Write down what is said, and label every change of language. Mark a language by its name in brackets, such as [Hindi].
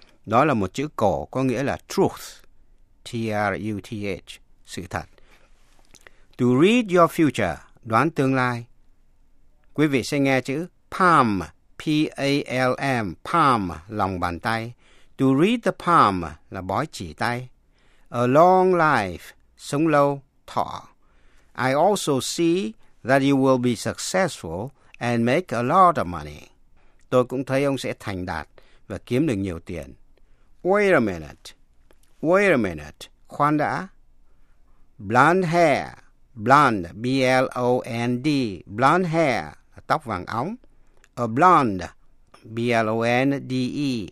[Vietnamese] Đó là một chữ cổ có nghĩa là truth, T-R-U-T-H, sự thật. [English] To read your future, [Vietnamese] đoán tương lai. Quý vị sẽ nghe chữ palm, P-A-L-M, palm, lòng bàn tay. [English] To read the palm [Vietnamese] là bói chỉ tay. [English] A long life, [Vietnamese] sống lâu, thọ. [English] I also see that you will be successful and make a lot of money. [Vietnamese] Tôi cũng thấy ông sẽ thành đạt và kiếm được nhiều tiền. [English] Wait a minute. Wait a minute. [Vietnamese] Khoan đã. [English] Blonde hair. Blonde, B-L-O-N-D. Blonde hair, [Vietnamese] tóc vàng óng. [English] A blonde, B-L-O-N-D-E.